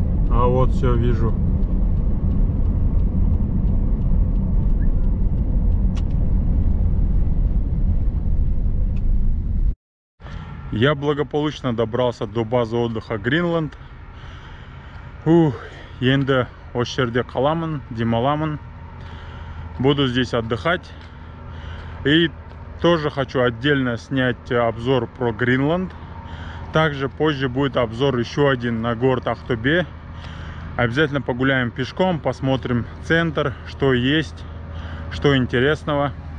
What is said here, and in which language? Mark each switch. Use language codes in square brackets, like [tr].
[ru] А вот все, вижу. Я благополучно добрался до базы отдыха Гринланд. [kk] Ух, енді осы жерде қаламын, демаламын. [ru] Буду здесь отдыхать. И тоже хочу отдельно снять обзор про Гринланд. Также позже будет обзор еще один на город Актобе. Обязательно погуляем пешком, посмотрим центр, что есть, что интересного.